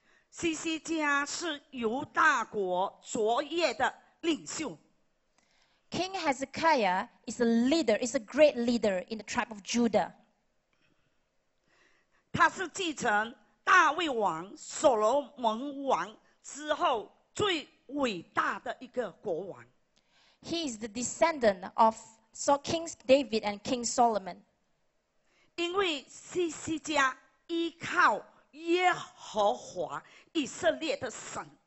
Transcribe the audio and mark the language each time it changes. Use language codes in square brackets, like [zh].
[zh] 西西家是犹大国卓越的领袖。 [en] King Hezekiah is a leader, is a great leader in the tribe of Judah. [zh] 他是继承大卫王、所罗门王之后最伟大的一个国王。 [en] He is the descendant of King David and King Solomon. [zh] 因为西西家依靠耶和华以色列的神。